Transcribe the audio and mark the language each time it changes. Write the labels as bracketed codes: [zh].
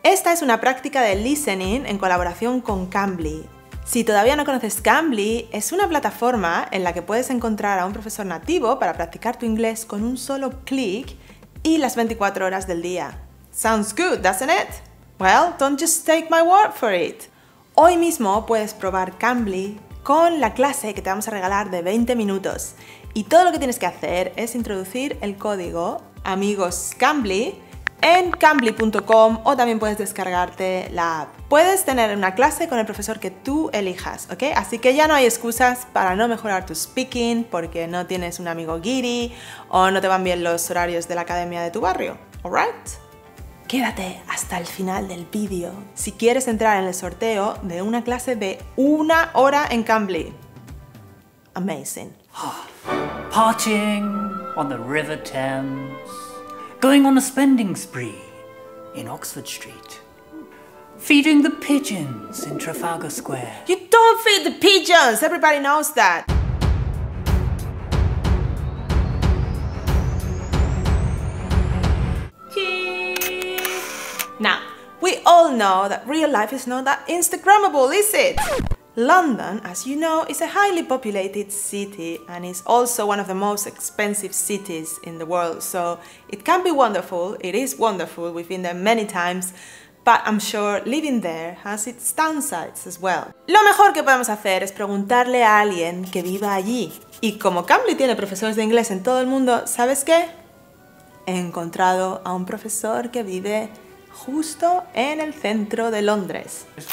[es] Esta es una práctica de listening en colaboración con Cambly. Si todavía no conoces Cambly, es una plataforma en la que puedes encontrar a un profesor nativo para practicar tu inglés con un solo clic y las 24 horas del día. [en] Sounds good, doesn't it? Well, don't just take my word for it. [es] Hoy mismo puedes probar Cambly con la clase que te vamos a regalar de 20 minutos. Y todo lo que tienes que hacer es introducir el código AMIGOSCAMBLY en cambly.com o también puedes descargarte la app. Puedes tener una clase con el profesor que tú elijas, ¿ok? Así que ya no hay excusas para no mejorar tu speaking porque no tienes un amigo guiri o no te van bien los horarios de la academia de tu barrio, ¿alright? Quédate hasta el final del vídeo si quieres entrar en el sorteo de una clase de una hora en Cambly. [en] Amazing. Partying on the River Thames, going on a spending spree in Oxford Street, feeding the pigeons in Trafalgar Square. You don't feed the pigeons! Everybody knows that! Cheers. Now, we all know that real life is not that Instagrammable, is it? London, as you know, is a highly populated city and is also one of the most expensive cities in the world, so it can be wonderful, it is wonderful, we've been there many times, but I'm sure living there has its downsides as well. [es] Lo mejor que podemos hacer es preguntarle a alguien que viva allí. Y como Cambly tiene profesores de inglés en todo el mundo, ¿sabes qué? He encontrado a un profesor que vive justo en el centro de Londres.